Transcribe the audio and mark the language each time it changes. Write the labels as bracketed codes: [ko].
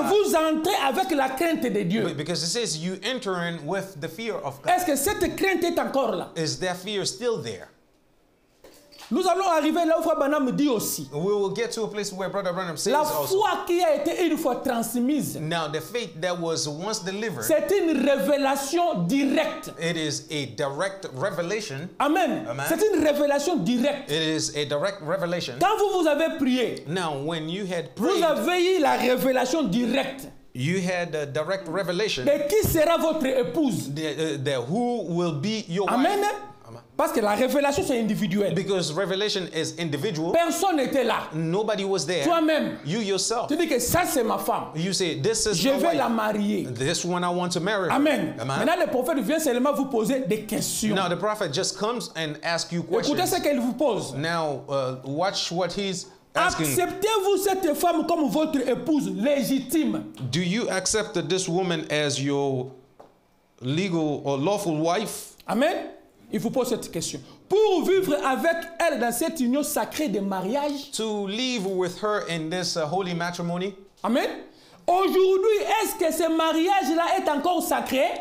[fr] Que vous entrez avec la crainte de Dieu. [en] Because it says you enter in with the fear of God. [fr] Est-ce que cette crainte est encore là? [en] Is that fear still there? [fr] Nous allons arriver là où Frère Branham me dit aussi. [en] We will get to a place where Brother Branham says [fr] la foi [en] also, [fr] qui a été une fois transmise. [en] Now the faith that was once delivered. [fr] C'est une révélation directe. [en] It is a direct revelation. Amen. Amen. [fr] C'est une révélation directe. [en] It is a direct revelation. [fr] Quand vous avez prié. [en] Now when you had prayed. [fr] Vous avez eu la révélation directe. [en] You had a direct revelation. [fr] De qui sera votre épouse? [en] The who will be your Amen. Wife. [fr] Amen. Parce que la révélation c'est individuel. [en] Because revelation is individual. [fr] Personne n'était là. [en] Nobody was there. [fr] Toi-même. [en] You yourself. [fr] Tu dis que ça c'est ma femme. [en] You say this is [fr] Je [en] my [fr] vais [en] wife. [fr] La marier. [en] This one I want to marry. Amen. Amen. [fr] Maintenant le prophète vient seulement vous poser des questions. [en] Now the prophet just comes and asks you questions. [fr] Écoutez ce qu'il vous pose. [en] Now watch what he's asking. [fr] Acceptez-vous cette femme comme votre épouse légitime? [en] Do you accept this woman as your legal or lawful wife? [fr] Amen. Il vous pose cette question. Pour vivre avec elle dans cette union sacrée de mariage. [en] To live with her in this holy matrimony. Amen. [fr] Aujourd'hui, est-ce que ce mariage-là est encore sacré?